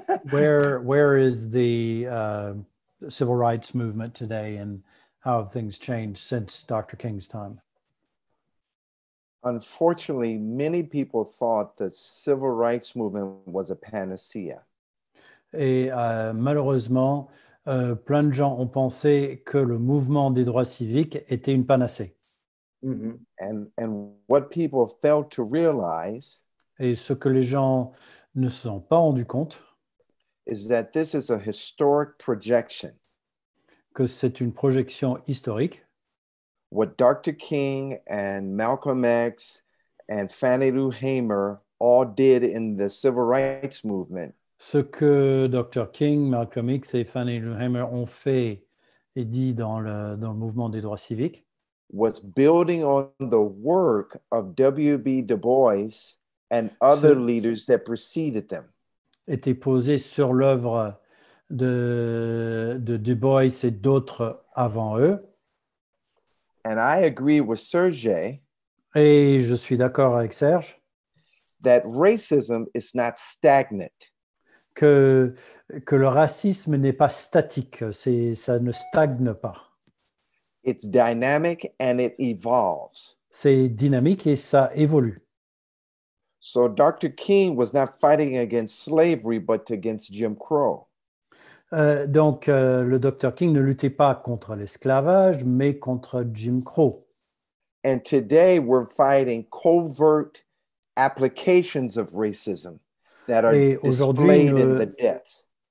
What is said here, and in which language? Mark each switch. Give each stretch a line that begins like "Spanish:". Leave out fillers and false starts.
English: where is the civil rights movement today, and how have things changed since Dr. King's time? Unfortunately, many people thought the civil rights movement was a panacea.
French: Et malheureusement, plein de gens ont pensé que le mouvement des droits civiques était une panacée.
English: And what people failed to realize,
French: et ce que les gens ne se sont pas rendu compte,
English: is that this is a historic projection.
French: Que c'est une projection historique.
English: What Dr. King and Malcolm X and Fannie Lou Hamer all did in the civil rights movement.
French: Ce que Dr. King, Malcolm X et Fannie Lou Hamer ont fait et dit dans le mouvement des droits civiques.
English: Was building on the work of W.B. Du Bois and other leaders that preceded them.
French: Était posé sur l'œuvre de Du Bois et d'autres avant eux.
English: And I agree with Serge.
French: Et je suis d'accord avec Serge.
English: That racism is not stagnant.
French: Que le racisme n'est pas statique, ça ne stagne pas.
English: It's dynamic and it evolves.
French: C'est dynamique et ça évolue.
English: So Dr. King was not fighting against slavery but against Jim Crow.
French: Le Dr. King ne luttait pas contre l'esclavage mais contre Jim Crow.
English: And today we're fighting covert applications of racism that are displayed in the debts.